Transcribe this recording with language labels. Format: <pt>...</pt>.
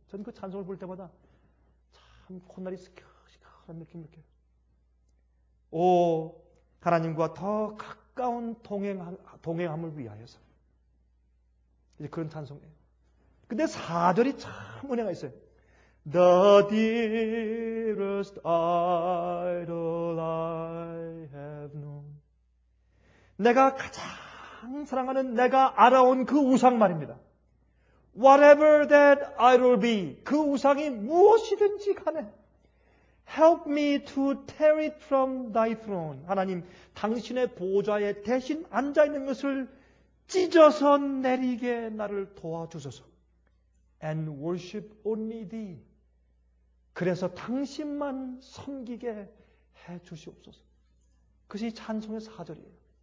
<ko>전 그 찬송을 볼 때마다 참 콧날이 스켜시켜한 느낌 느껴요. 오 하나님과 더 가까운 동행함을 위하여서 이제 그런 찬송이에요. 근데 4절이 참 은혜가 있어요.</ko> <en>The dearest idol I have known.</en> <ko>내가 가장 사랑하는 내가 알아온 그 우상 말입니다.</ko> <en>Whatever that idol be,</en> <ko>그 우상이 무엇이든지 간에</ko> <en>Help me to tear it from thy throne.</en> <ko>하나님, 당신의 보좌에 대신 앉아있는 것을 찢어서 내리게 나를 도와주소서.</ko> <en>And worship only thee.</en> <ko>그래서 당신만 섬기게 해 주시옵소서. 그것이 찬송의 4절이에요.</ko>